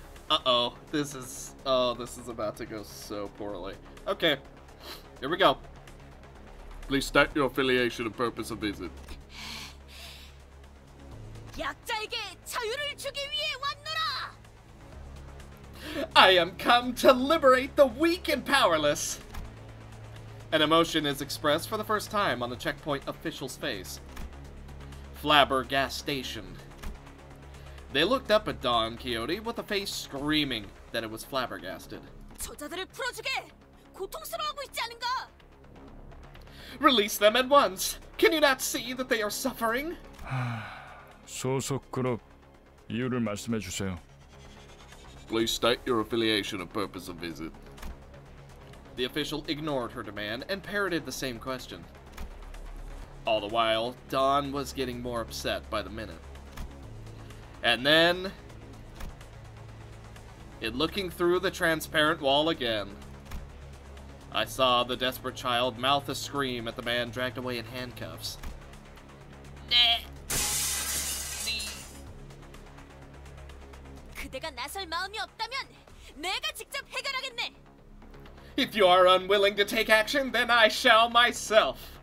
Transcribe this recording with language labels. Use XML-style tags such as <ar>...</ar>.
<en>Uh-oh, this is about to go so poorly. Okay, here we go. Please state your affiliation and purpose of visit.</en> <ko>약자에게 자유를 주기 위해 왔노라!</ko> <en>I am come to liberate the weak and powerless. An emotion is expressed for the first time on the checkpoint official's face. Flabber gas station. They looked up at Don Quixote with a face screaming that it was flabbergasted.</en> <ko>저자들을 풀어주게! 고통스러워하고 있지 않은가?</ko> <en>Release them at once! Can you not see that they are suffering?</en> <ko>소속 그룹, 이유를 말씀해 주세요.</ko> <en>Please state your affiliation and purpose of visit. The official ignored her demand and parroted the same question. All the while, Don was getting more upset by the minute. And then, in looking through the transparent wall again, I saw the desperate child mouth a scream at the man dragged away in handcuffs.</en> <ko>Nah. 네. 그대가 나설 마음이 없다면 내가 직접 해결하겠네.</ko> <en>If you are unwilling to take action, then I shall myself.</en>